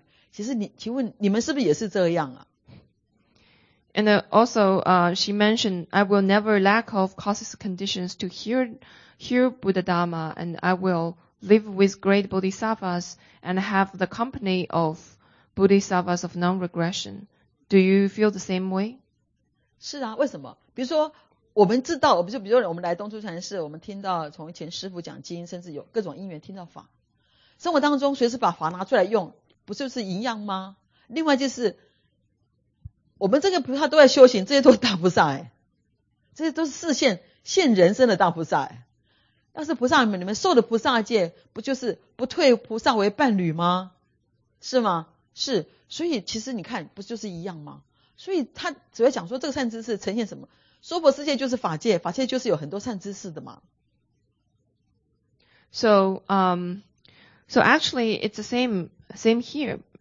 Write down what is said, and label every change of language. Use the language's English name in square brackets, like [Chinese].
[Chinese] 另外他讲谈到说，他说我永远都离不开听闻佛法的因缘，然后跟大菩萨共住，不退菩萨为伴侣。其实你请问你们是不是也是这样啊？ [English] And also, she mentioned, I will never lack of causes conditions to hear Buddha Dharma, and I will live with great bodhisattvas and have the company of bodhisattvas of non-regression. Do you feel the same way? [Chinese] 是啊, 为什么? 比如说我们知道, 比如说我们来东初禅寺, 我们听到从前师父讲经, 甚至有各种因缘听到法, 生活当中随时把法拿出来用, 不就是一样吗? 另外就是, 我们这个菩萨都在修行, 这些都是大菩萨欸, 这些都是示现, 现人生的大菩萨欸, 但是菩萨们, 你们受的菩萨戒, 不就是不退菩萨为伴侣吗?是吗? 是, 所以其实你看, 不就是一样吗?所以他只会讲说这个善知识呈现什么? 娑婆世界就是法界, 法界就是有很多善知识的嘛。 [English] So actually, it's the same here.